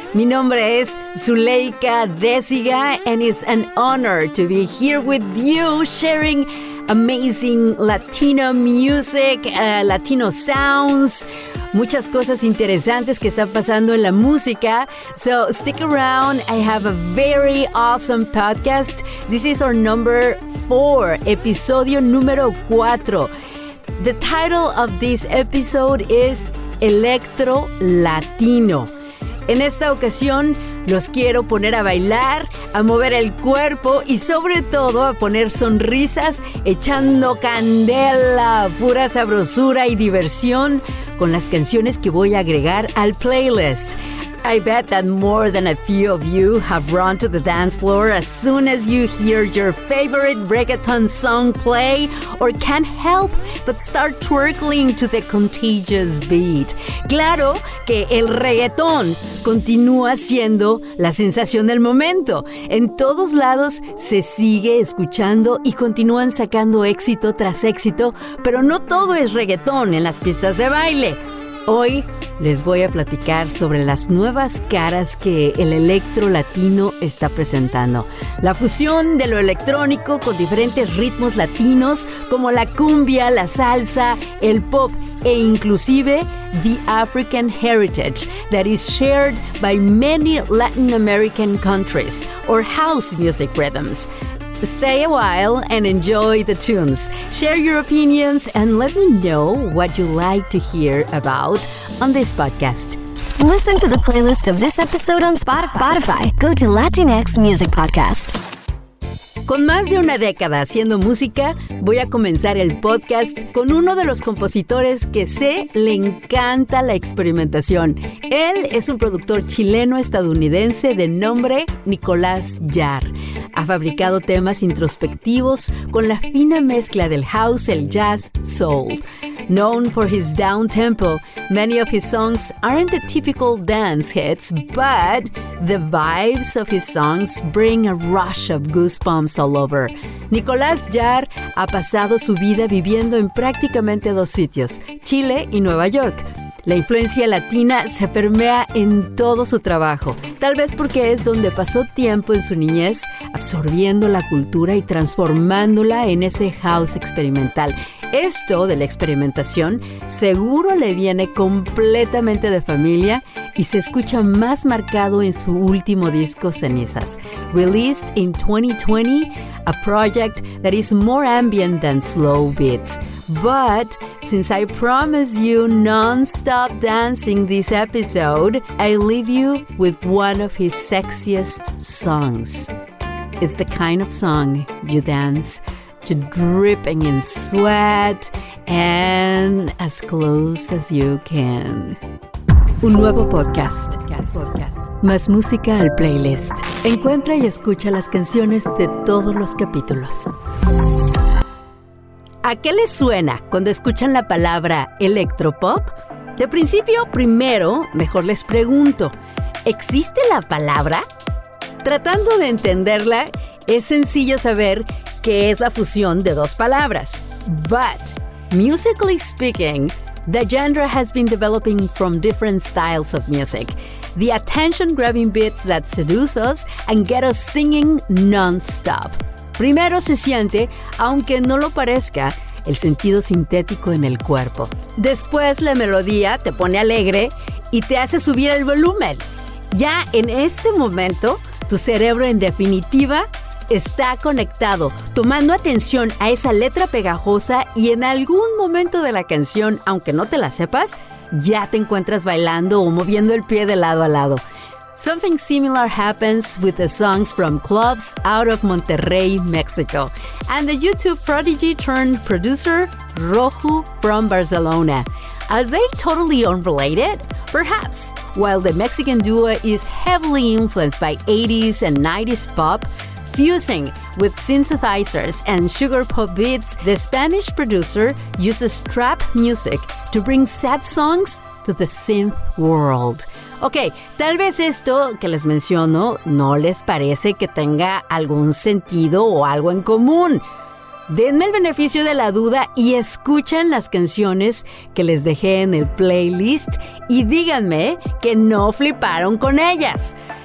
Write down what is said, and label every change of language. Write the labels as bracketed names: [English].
[Spanish] Mi nombre es [English] Zuleika Désiga and it's an honor to be here with you sharing amazing Latino music, Latino sounds, [Spanish] muchas cosas interesantes que están pasando en la música. [English] So stick around, I have a very awesome podcast. This is our number 4, [Spanish] episodio número 4. [English] The title of this episode is Electro Latino. [Spanish] En esta ocasión los quiero poner a bailar, a mover el cuerpo y sobre todo a poner sonrisas echando candela, pura sabrosura y diversión con las canciones que voy a agregar al playlist. [English] I bet that more than a few of you have run to the dance floor as soon as you hear your favorite reggaeton song play or can't help but start twirling to the contagious beat. [Spanish] Claro que el reggaeton continúa siendo la sensación del momento. En todos lados se sigue escuchando y continúan sacando éxito tras éxito, pero no todo es reggaeton en las pistas de baile. Hoy les voy a platicar sobre las nuevas caras que el electro latino está presentando. La fusión de lo electrónico con diferentes ritmos latinos como la cumbia, la salsa, el pop e inclusive [English] the African heritage that is shared by many Latin American countries or house music rhythms. Stay a while and enjoy the tunes. Share your opinions and let me know what you like to hear about on this podcast. Listen to the playlist of this episode on Spotify. Go to Latinx Music Podcast. [Spanish] Con más de una década haciendo música, voy a comenzar el podcast con uno de los compositores que sé le encanta la experimentación. Él es un productor chileno-estadounidense de nombre Nicolás Jarr. Ha fabricado temas introspectivos con la fina mezcla del house, el jazz, soul. [English] Known for his down-tempo, many of his songs aren't the typical dance hits, but the vibes of his songs bring a rush of goosebumps all over. [Spanish] Nicolás Jarr ha pasado su vida viviendo en prácticamente dos sitios, Chile y Nueva York. La influencia latina se permea en todo su trabajo, tal vez porque es donde pasó tiempo en su niñez, absorbiendo la cultura y transformándola en ese house experimental. Esto de la experimentación seguro le viene completamente de familia y se escucha más marcado en su último disco, Cenizas. [English] Released in 2020, a project that is more ambient than slow beats. But since I promise you non-stop dancing this episode, I leave you with one of his sexiest songs. It's the kind of song you dance to dripping in sweat and as close as you can. [Spanish] Un nuevo podcast. Más música al playlist. Encuentra y escucha las canciones de todos los capítulos. ¿A qué les suena cuando escuchan la palabra electropop? De principio, primero, mejor les pregunto, ¿existe la palabra? Tratando de entenderla, es sencillo saber que es la fusión de dos palabras. [English] But, musically speaking, the genre has been developing from different styles of music. The attention-grabbing beats that seduce us and get us singing non-stop. [Spanish] Primero se siente, aunque no lo parezca, el sentido sintético en el cuerpo. Después la melodía te pone alegre y te hace subir el volumen. Ya en este momento, tu cerebro en definitiva está conectado, tomando atención a esa letra pegajosa y en algún momento de la canción, aunque no te la sepas, ya te encuentras bailando o moviendo el pie de lado a lado. [English] Something similar happens with the songs from clubs out of Monterrey, Mexico, and the YouTube prodigy turned producer Rojo from Barcelona. Are they totally unrelated? Perhaps. While the Mexican duo is heavily influenced by 80s and 90s pop, fusing with synthesizers and sugar pop beats, the Spanish producer uses trap music to bring sad songs to the synth world. [Spanish] Ok, tal vez esto que les menciono no les parece que tenga algún sentido o algo en común. Denme el beneficio de la duda y escuchen las canciones que les dejé en el playlist y díganme que no fliparon con ellas.